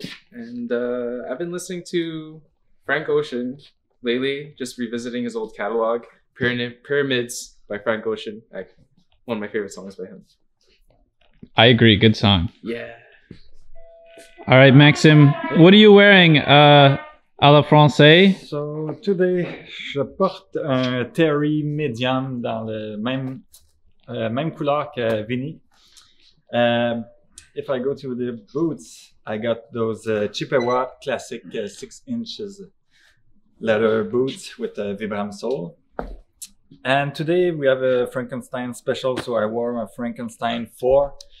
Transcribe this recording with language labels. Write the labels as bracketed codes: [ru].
[en] And I've been listening to Frank Ocean lately, just revisiting his old catalog, Pyramids by Frank Ocean. One of my favorite songs by him. I agree. Good song. Yeah. All right, Maxim, what are you wearing [fr] à la Francais? [en] So today, [fr] je porte un Terry Medium dans le même couleur que Vinny. [en] If I go to the boots, I got those Chippewa classic 6 inches leather boots with a Vibram sole. And today we have a Frankenstein special, so I wore my Frankenstein 4.